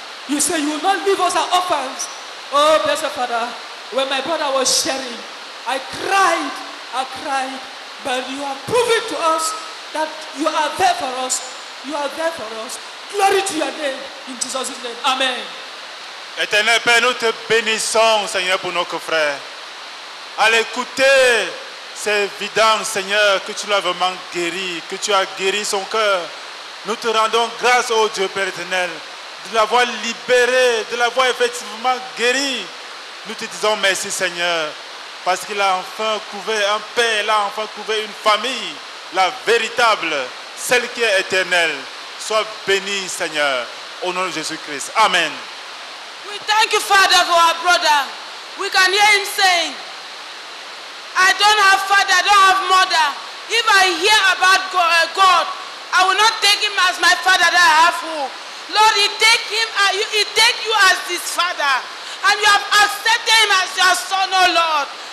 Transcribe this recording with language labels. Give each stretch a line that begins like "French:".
English: You say you will not leave us as orphans. Oh, blessed Father, when my brother was sharing, I cried. But you are proving to us that you are there for us. You are there for us. Glory to your name, in Jesus' name. Amen.
French: Éternel Père, nous te bénissons, Seigneur, pour notre frère. À l'écouter, c'est évident, Seigneur, que tu l'as vraiment guéri, que tu as guéri son cœur. Nous te rendons grâce, ô Dieu Père éternel, de l'avoir libéré, de l'avoir effectivement guéri. Nous te disons merci, Seigneur, parce qu'il a enfin trouvé un père, il a enfin trouvé une famille, la véritable, celle qui est éternelle. Sois béni, Seigneur, au nom de Jésus-Christ. Amen.
English: We thank you, Father, for our brother. We can hear him saying, I don't have father, I don't have mother. If I hear about God, I will not take him as my father that I have who. Lord, he take you as his father. And you have accepted him as your son, oh Lord.